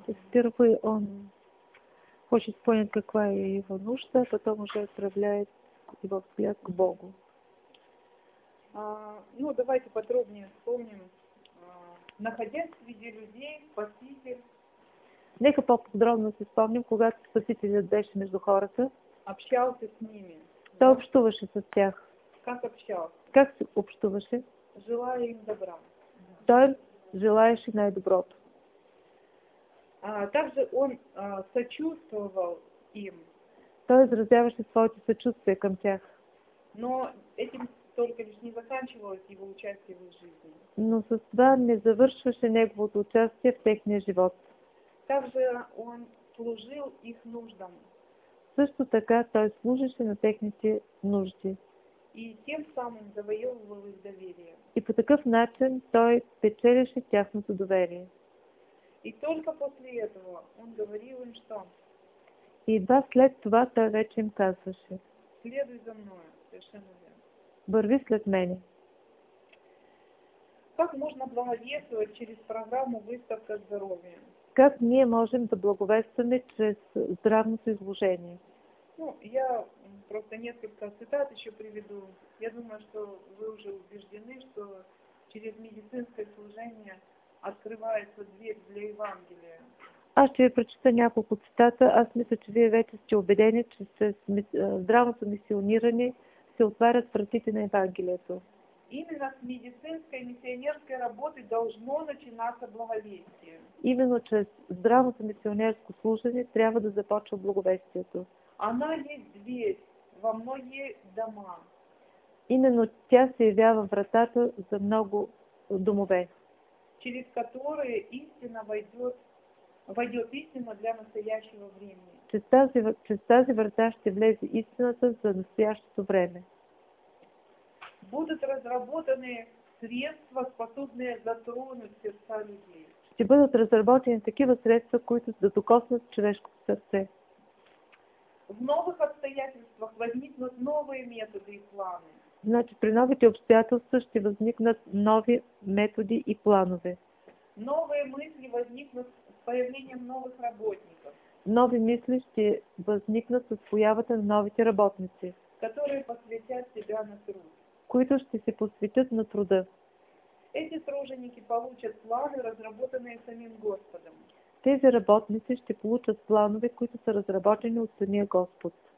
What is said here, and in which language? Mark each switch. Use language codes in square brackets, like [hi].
[bg] Първо [ru] он хочет понять, [bg] каква е [ru] его нужда, а потом уже отправляет его взгляд к Богу. Ну, давайте подробнее вспомним, находясь среди людей, Спаситель. [bg] Нека по-подробно си спомним, когато Спасителят беше между хората. [ru] Общался с ними. [bg] Да, общуваше с тях. [ru] Как общался? [bg] Как се общуваше? [ru] Желая им добра. [bg] Той желаеше най-доброто. [ru] Также он сочувствовал им. [bg] Той изразяваше своето съчувствие към тях. [ru] Но этим только лишь не заканчивалось его участие в жизни. [bg] Но с това не завършваше неговото участие в техния живот. [ru] Также он служил их нуждам. [bg] Също така той служеше на техните нужди. [ru] И тем самым завоевывал их доверие. [bg] И по такъв начин той печелеше тяхното доверие. [ru] И только после этого он говорил им что? [bg] И едва след това той вече им казваше. [ru] Следуй за мною, совершенно верно. [bg] Върви след мене. [ru] Как можно благовествовать через программу выставка здоровья? [bg] Как ние можем да благовестваме чрез здравното изложение? [ru] Ну, я просто несколько цитат еще приведу. Я думаю, что вы уже убеждены, что через медицинское служение открывается дверь для Евангелия. [bg] Аз ще ви прочита няколко цитата. Аз мисля, че вие вече сте убедени, че чрез здравното мисиониране се отварят вратите на Евангелието. [ru] Именно с медицинской и мисионерской работы должно начинаться благовестие. [bg] Именно чрез здравото мисионерско служение трябва да започва благовестието. [ru] Она есть дверь во многие дома. [bg] Именно тя се явява вратата за много домове. [ru] Через которые истина войдет истина для настоящего времени. [bg] Чрез тази врата ще влезе истината за настоящото време. [ru] Будут разработаны средства, способные затронуть сердца людей. [bg] Ще бъдат разработени такива средства, които да докоснат човешкото сърце. [ru] В новых обстоятельствах възникнут новые методы и планы. [bg] Значи при новите обстоятелства ще възникнат нови методи и планове. [ru] Новые мысли възникнут с появлением новых работников. [bg] Нови мисли ще възникнат с появата на новите работници, которые посвятят себя на труд. Които ще се посветят на труда. [ru] Эти труженики получат планы, разработанные самим Господом. [bg] Тези работници ще получат планове, които са разработени от самия Господ.